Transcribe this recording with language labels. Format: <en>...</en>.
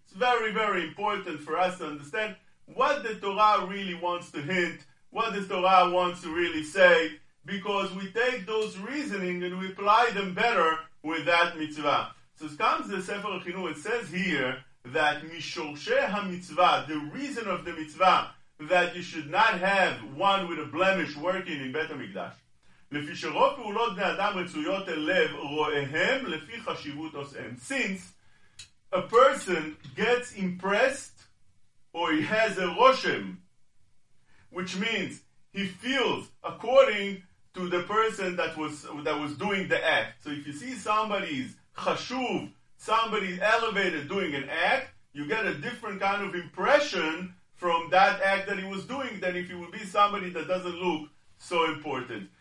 <en>It's very, very important for us to understand what the Torah really wants to hint, what the Torah wants to really say, because we take those reasoning and we apply them better with that mitzvah. So it comes the Sefer HaChinuch, it says here that Mishorshei HaMitzvah, the reason of the mitzvah, that you should not have one with a blemish working in Beit HaMikdash.</en> <he>לפי שרוב פעולות בני אדם רצויות אל לב רואיהם לפי חשיבות עושיהם.</he> <en>Since a person gets impressed or he has a roshem, which means he feels according to the person that was doing the act. So if you see somebody is chashuv, somebody elevated doing an act, you get a different kind of impression from that act that he was doing than if he would be somebody that doesn't look so important.</en>